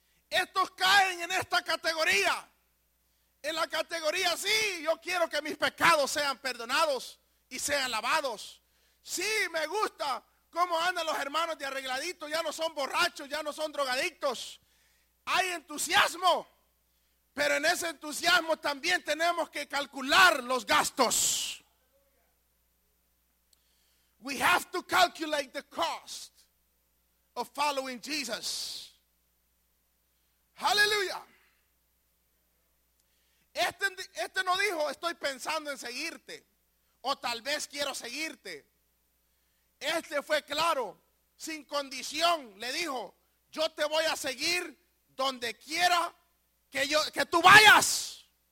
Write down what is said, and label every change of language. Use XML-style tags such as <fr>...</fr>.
<es>Estos caen en esta categoría. En la categoría, sí, yo quiero que mis pecados sean perdonados y sean lavados. Sí, me gusta cómo andan los hermanos de arregladito. Ya no son borrachos, ya no son drogadictos. Hay entusiasmo. Pero en ese entusiasmo también tenemos que calcular los gastos.</es> <en>We have to calculate the cost of following Jesus. Hallelujah.</en> <es>Este no dijo, estoy pensando en seguirte, o tal vez quiero seguirte. Este fue claro, sin condición, le dijo, yo te voy a seguir donde quiera que tú vayas.</es>